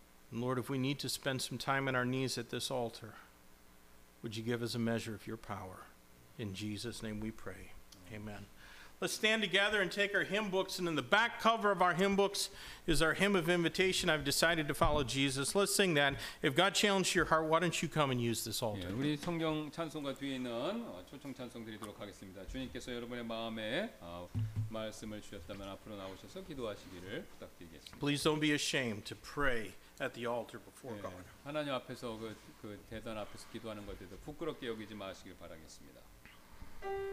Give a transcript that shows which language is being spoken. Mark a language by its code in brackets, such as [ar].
[en] And Lord, if we need to spend some time on our knees at this altar, would you give us a measure of your power? In Jesus' name we pray. Amen. Let's stand together and take our hymn books. And in the back cover of our hymn books is our hymn of invitation, I've Decided to Follow Jesus. Let's sing that. If God challenged your heart, why don't you come and use this altar? [ko] 예, 우리 성경 찬송가 뒤에 있는 초청 찬송 드리도록 하겠습니다. 주님께서 여러분의 마음에 말씀을 주셨다면 앞으로 나오셔서 기도하시기를 부탁드리겠습니다. [en] Please don't be ashamed to pray at the altar before God. [ko] 하나님 앞에서 그 대단 앞에서 기도하는 것들도 부끄럽게 여기지 마시길 바라겠습니다.